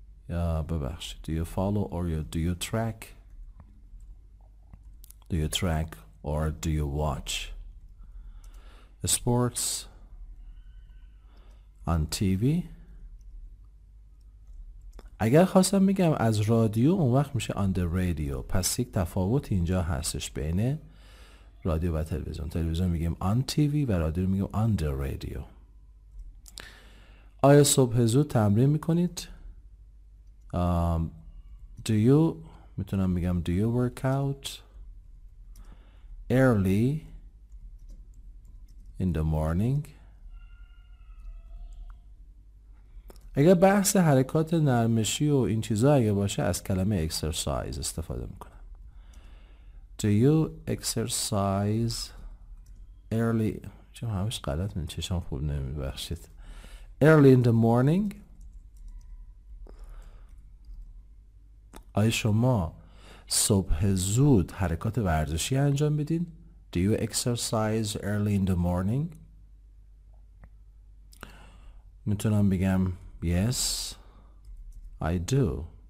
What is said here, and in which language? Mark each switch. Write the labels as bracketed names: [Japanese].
[Persian] یا ببخشید [English] do you follow or do you track, do you track or do you watch sports on TV. [Persian] اگر خواستم میگم از رادیو اون وقت میشه [English] on the radio. [Persian] پس یک تفاوت اینجا هستش بین رادیو و تلویزیون. تلویزیون میگیم [English] on TV [Persian] و رادیو میگیم [English] on the radio. [Persian] آیا صبح زود تمرین میکنید؟ [English] Do you [Persian] میتونم میگم [English] do you work out early in the morning. [Persian] اگر بحث حرکات نرمشی و این چیزا اگه باشه از کلمه exercise استفاده میکنم. [English] Do you exercise early, [Persian] چون همش غلط من چشم خوب نمیبخشید, [English] early in the morning. [Persian] آیا شما صبح زود حرکات ورزشی انجام میدین؟ [English] Do you exercise early in the morning? [Persian] میتونم بگم [English] yes, I do.